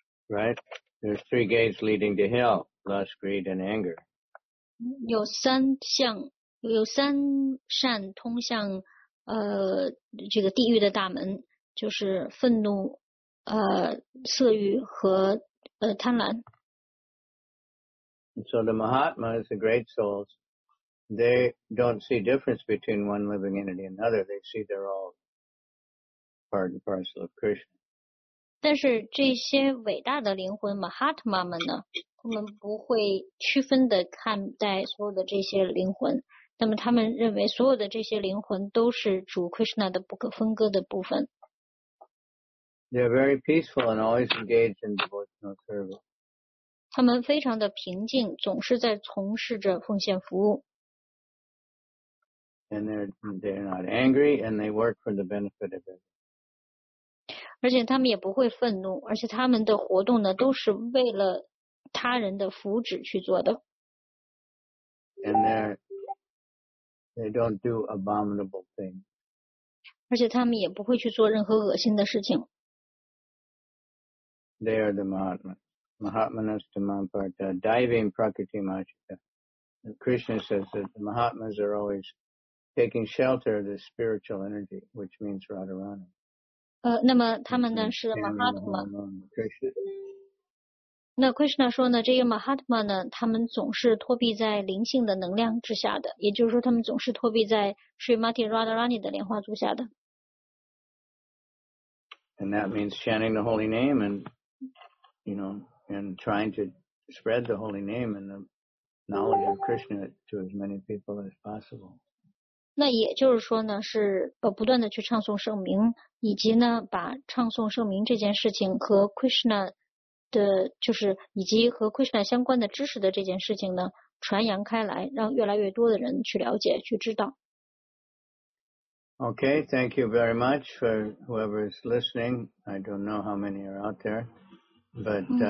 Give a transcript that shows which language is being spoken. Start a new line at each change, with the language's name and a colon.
English: Right, there's three gates leading to hell: lust, greed, and anger.
Chinese: 有三项，有三扇通向这个地狱的大门，就是愤怒、色欲和贪婪。
English: So the Mahatma is the great souls. They don't see difference between one living entity and another. They see they're all part and parcel of Krishna.
Chinese: 但是这些伟大的灵魂 Mahatma 们呢，他们不会区分的看待所有的这些灵魂。那么他们认为所有的这些灵魂都是主 Krishna 的不可分割的部分。
English: They're very peaceful and always engaged in devotional service.
Chinese: 他们非常的平静，总是在从事着奉献服务。
English: And they're not angry, and they work for the benefit of it.
Chinese: 而且他们也不会愤怒，而且他们的活动呢，都是为了他人的福祉去做的。
English: And they don't do abominable things.
Chinese: 而且他们也不会去做任何恶心的事情。
English: They are the Mahatma.
Sanskrit: Mahatmanas tamamparta diving prakriti machita.
English: Krishna says that the Mahatmas are always. Taking shelter of the spiritual energy, which means Radharani.
Chinese: 那么他们呢是 Mahatma。那 Krishna 说呢，这个 Mahatma 呢，他们总是托庇在灵性的能量之下的，也就是说，他们总是托庇在 Srimati Radharani 的莲花足下的。
English: And that means chanting the holy name and, you know, and trying to spread the holy name and the knowledge of Krishna to as many people as possible.
Chinese: 那也就是说呢，是不断的去唱诵圣名，以及呢，把唱诵圣名这件事情和 Krishna 的，就是以及和 Krishna 相关的知识的这件事情呢，传扬开来，让越来越多的人去了解、去知道。
English: Okay, thank you very much for whoever is listening. I don't know how many are out there, but